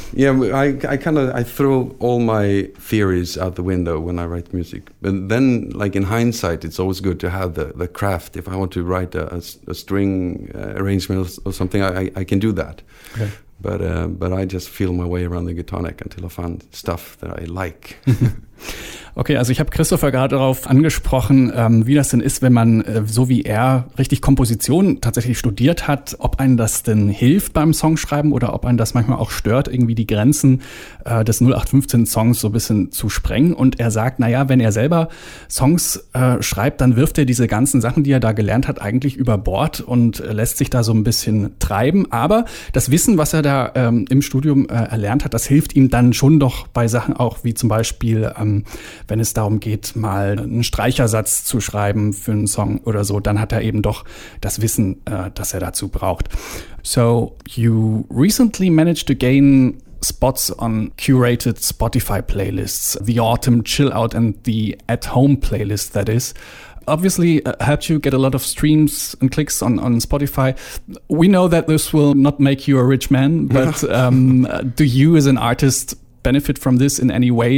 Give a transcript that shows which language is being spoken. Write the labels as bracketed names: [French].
[English] I throw all my theories out the window when I write music. But then, like in hindsight, it's always good to have the craft. If I want to write a string arrangement or something, I can do that. Okay. But I just feel my way around the guitar neck until I find stuff that I like. [German] Okay, also ich habe Christopher gerade darauf angesprochen, wie das denn ist, wenn man so wie er richtig Komposition tatsächlich studiert hat, ob einem das denn hilft beim Songschreiben oder ob einem das manchmal auch stört, irgendwie die Grenzen des 0815-Songs so ein bisschen zu sprengen. Und er sagt, naja, wenn er selber Songs schreibt, dann wirft er diese ganzen Sachen, die er da gelernt hat, eigentlich über Bord und lässt sich da so ein bisschen treiben. Aber das Wissen, was er da im Studium erlernt hat, das hilft ihm dann schon doch bei Sachen auch wie zum Beispiel, wenn es darum geht, mal einen Streichersatz zu schreiben für einen Song oder so, dann hat er eben doch das Wissen, das er dazu braucht. [English] So, you recently managed to gain spots on curated Spotify playlists, the Autumn Chill Out and the At Home playlist, that is. Obviously helped you get a lot of streams and clicks on Spotify. We know that this will not make you a rich man, but do you as an artist benefit from this in any way?